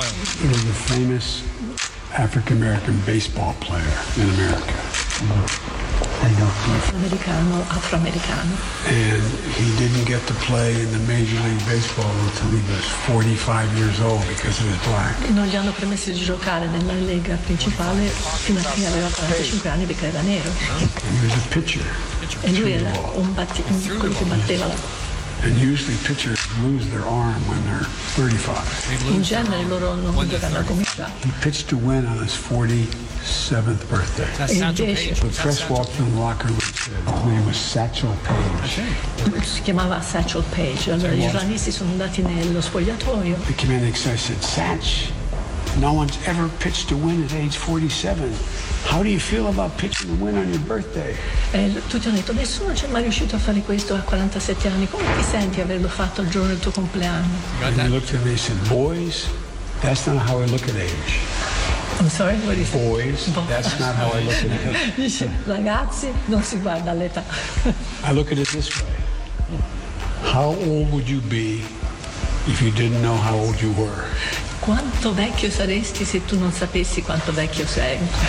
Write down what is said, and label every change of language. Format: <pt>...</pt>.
<en>He was a famous African-American baseball player in America. And he didn't get to play in the Major League Baseball until he was 45 years old because he was black.</en> <it>Non gli hanno permesso di giocare nella lega principale fino a che aveva 45 anni perché era nero.</it> <en>He was a pitcher.</en> <it>E lui era quello che batteva.</it> <en>And usually pitchers lose their arm when they're 35.</en> <it>In genere loro non giocano come già.</it> <en>He pitched to win on his 47th birthday. That's Satchel Paige. Fresh walked in the locker room. His name was Satchel Paige.</en> <it>Si chiamava Satchel Paige. Allora, gli islamisti sono andati nello spogliatoio.</it> <en>The commanding officer said, Satch, no one's ever pitched to win at age 47. How do you feel about pitching to win on your birthday?</en> <it>Tutti hanno detto, nessuno c'è mai riuscito a fare questo a 47 anni. Come ti senti averlo fatto il giorno del tuo compleanno?</it> <en>And he looked at me and said, boys, that's not how I look at age. I'm sorry, what is boys, that's not how I look at age.</en> <it>Dice, ragazzi, non si guarda l'età.</it> <en>I look at it this way. How old would you be if you didn't know how old you were?</en> <it>Quanto vecchio saresti se tu non sapessi quanto vecchio sei?</it>